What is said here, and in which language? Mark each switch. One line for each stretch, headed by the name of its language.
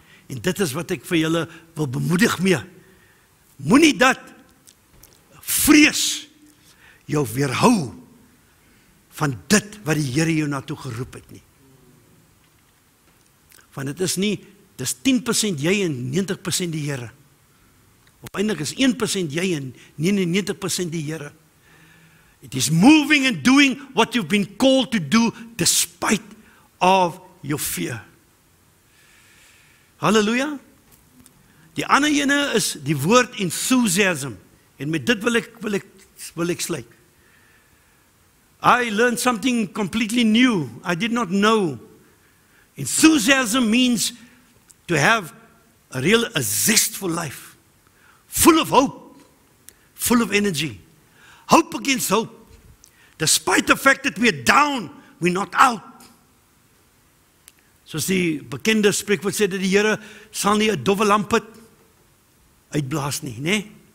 Afrikaans: En dit is wat ek vir julle wil bemoedig mee. Moenie dat vrees jou weerhou van dit wat die Here jou naartoe geroep het nie. Want het is nie, dit is 10% jy en 90% die Here. Of eindelijk is 1% jy en 99% die Here.
English: It is moving and doing what you've been called to do despite of your fear.
Afrikaans: Halleluja. Die ander ene is die woord enthusiasm. En met dit wil ek sluit.
English: I learned something completely new. I did not know. Enthusiasm means to have a real, a zestful life. Full of hope. Full of energy. Hope against hope. Despite the fact that we are down, we're not out.
Afrikaans: Soos die bekende spreekwoord sê, die Here sal nie 'n dowwe lamp uitblaas nie, né?